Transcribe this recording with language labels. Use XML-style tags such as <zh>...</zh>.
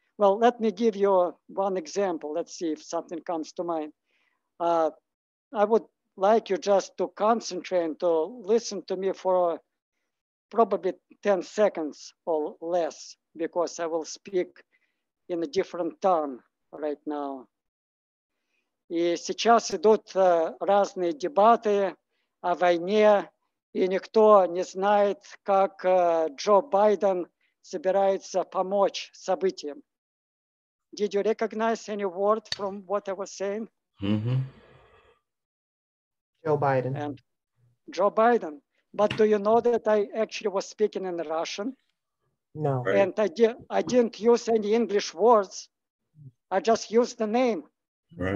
<en>Well, let me give you one example. Let's see if something comes to mind. I would like you just to concentrate and to listen to me for probably 10 seconds or less, because I will speak in a different tongue right now.</en> <ru>И сейчас идут разные дебаты о войне, и никто не знает, как Джо Байден собирается помочь событиям.</ru> <en>Did you recognize any word from what I was saying? Mm-hmm. Joe Biden. And Joe Biden. But do you know that I actually was speaking in Russian? No. Right. And I didn't use any English words. I just used the name. Right.</en>